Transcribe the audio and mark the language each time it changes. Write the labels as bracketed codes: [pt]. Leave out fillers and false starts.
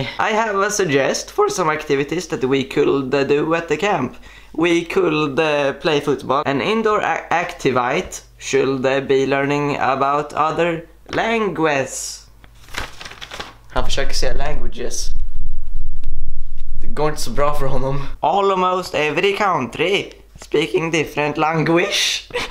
[en] Okay? I have a suggest for some activities that we could do at the camp. We could play football. An indoor activite should be learning about other languages. [sv] Han försöker säga languages. Det går inte så bra för honom. [en] Almost every country speaking different language.